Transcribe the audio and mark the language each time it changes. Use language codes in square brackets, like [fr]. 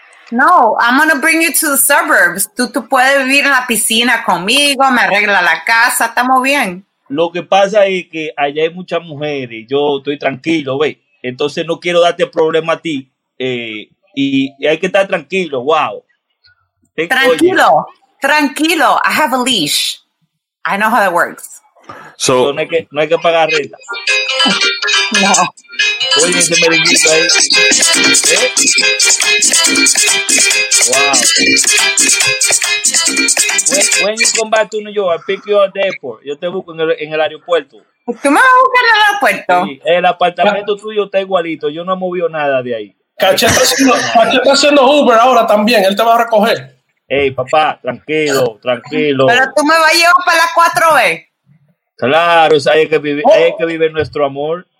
[en] No, I'm gonna bring you to the suburbs. [es] Tú puedes vivir en la piscina conmigo, me arregla la casa, estamos bien. Lo que pasa es que allá hay muchas mujeres, yo estoy tranquilo, ve. Entonces no quiero darte problema a ti. Y hay que estar tranquilo, wow. Tranquilo, tranquilo. [en] I have a leash. I know how that works. So [es] no hay que pagar renta. No. Oye, ese merenguito ahí. ¿Eh? Wow. [en] When you come back to New York, I pick you up at the airport. [es] Yo te busco en el aeropuerto. ¿Tú me vas a buscar en el aeropuerto? Sí, el apartamento tuyo está igualito. Yo no he movido nada de ahí. Cacheta haciendo Uber ahora también. Él te va a recoger. Hey, papá, tranquilo. Pero tú me vas a llevar para la 4B. Claro, o sea, hay que vivir nuestro amor.